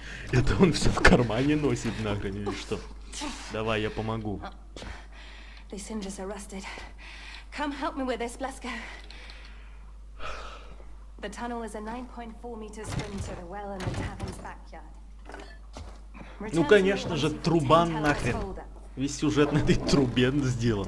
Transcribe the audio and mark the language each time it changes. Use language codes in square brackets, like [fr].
[ru] Это он все в кармане носит, нахрен или что? Давай, я помогу. [en] These hinges are rusted. Come help me with this, Blasco. The tunnel is a 9.4 meter swim to the well in the tavern's backyard. [ru] Ну конечно же, труба нахрен. Весь сюжет на этой трубе сделан.